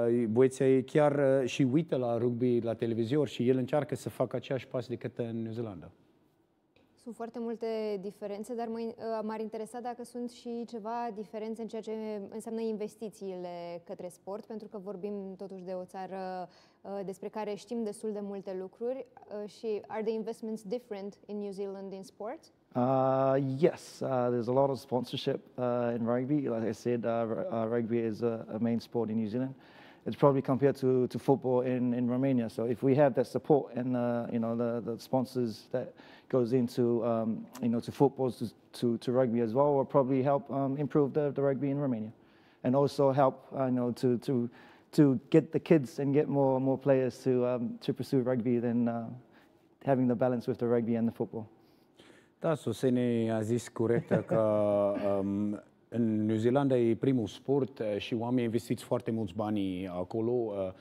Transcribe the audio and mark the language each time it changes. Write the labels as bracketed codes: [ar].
[ro] Băieții chiar și uită la rugby la televizor și el încearcă să facă aceeași pas decât în New Zealandă. Sunt foarte multe diferențe, dar m-ar interesa dacă sunt și ceva diferențe în ceea ce înseamnă investițiile către sport, pentru că vorbim totuși de o țară despre care știm destul de multe lucruri. [en] Și are the investments different in New Zealand in sport? Yes, there's a lot of sponsorship in rugby. Like I said, rugby is a main sport in New Zealand. it's probably compared to football in Romania. So if we have that support and you know the sponsors that goes into you know to football to rugby as well, will probably help improve the rugby in Romania, and also help you know to get the kids and get more players to pursue rugby than having the balance with the rugby and the football. [ro] Da, Susene a zis corect că în New Zealanda e primul sport și oamenii investiți foarte mulți bani acolo.